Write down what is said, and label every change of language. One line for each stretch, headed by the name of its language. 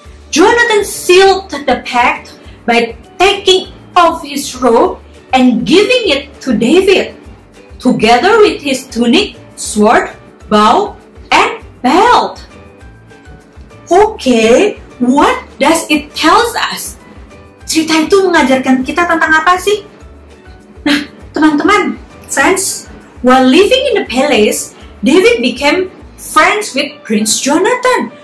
English: Jonathan sealed the pact by taking off his robe and giving it to David, together with his tunic, sword, bow, and belt. Okay, what does it tells us?
Indonesian: Cerita itu mengajarkan kita tentang apa sih? Nah, teman-teman,
English: friends, while living in the palace, David became friends with Prince Jonathan.